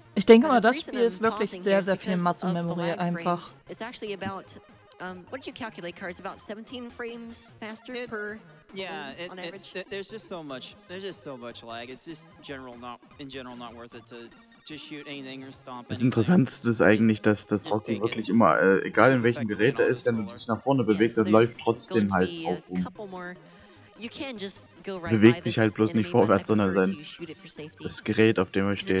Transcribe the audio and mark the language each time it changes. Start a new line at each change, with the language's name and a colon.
German: Ich denke mal, das Spiel ist wirklich sehr, sehr viel Muscle Memory einfach.
English: It's actually about, what did you calculate, Cards? About 17 frames faster per... Yeah, there's just so much. There's just so much lag. It's just not worth it to shoot anything or stomp.
German: Das Interessanteste ist eigentlich, dass das Rocky wirklich immer, egal in welchem Gerät er ist, wenn du dich nach vorne bewegst, das läuft trotzdem halt auch rum. bewegt sich halt bloß nicht vorwärts, sondern sein das Gerät, auf dem er steht.